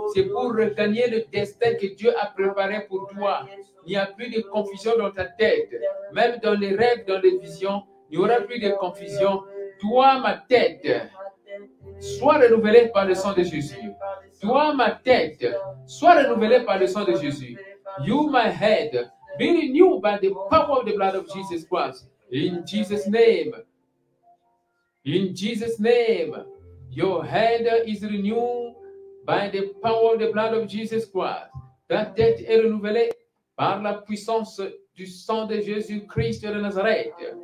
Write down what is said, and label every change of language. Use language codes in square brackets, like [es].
[fr] C'est pour regagner le destin que Dieu a préparé pour toi. Il n'y a plus de confusion dans ta tête. Même dans les rêves, dans les visions, il n'y aura plus de confusion. Toi, ma tête, sois renouvelée par le sang de Jésus. Toi, ma tête, sois renouvelée par le sang de Jésus. [en] You, my head, be renewed by the power of the blood of Jesus Christ. In Jesus' name. In Jesus' name, your head is renewed by the power of the blood of Jesus Christ. [fr] Ta tête est renouvelée par la puissance du sang de Jésus-Christ de Nazareth.